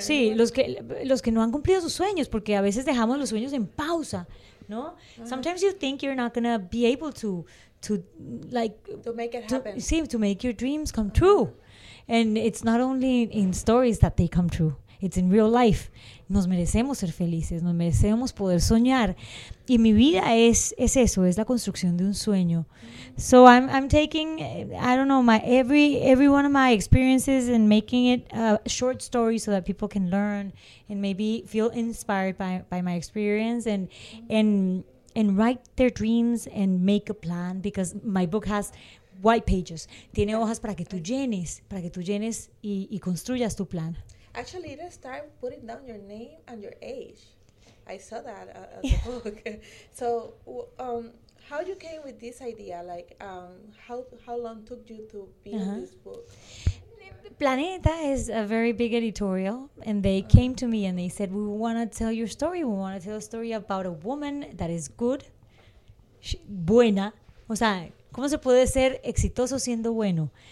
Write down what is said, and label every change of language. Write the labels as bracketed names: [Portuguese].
[Spanish] Sí, los que no han cumplido sus sueños, porque a veces dejamos los sueños en pausa. [English] No, sometimes you think you're not gonna be able to make it happen. Seem to make your dreams come true, and it's not only in stories that they come true. It's in real life. [Spanish] Nos merecemos ser felices. Nos merecemos poder soñar. Y mi vida es eso. Es la construcción de un sueño. [English] So I'm taking, I don't know, every one of my experiences and making it a short story so that people can learn and maybe feel inspired by my experience and write their dreams and make a plan, because my book has white pages. [Spanish] Tiene hojas para que tú llenes y construyas tu plan. [English] Actually, it started putting down your name and your age. I saw that at the book. So how you came with this idea? Like, how long took you to be in this book? Planeta is a very big editorial, and they came to me and they said, we want to tell your story. We want to tell a story about a woman that is good, buena. [Spanish] O sea, ¿cómo se puede ser exitoso siendo bueno?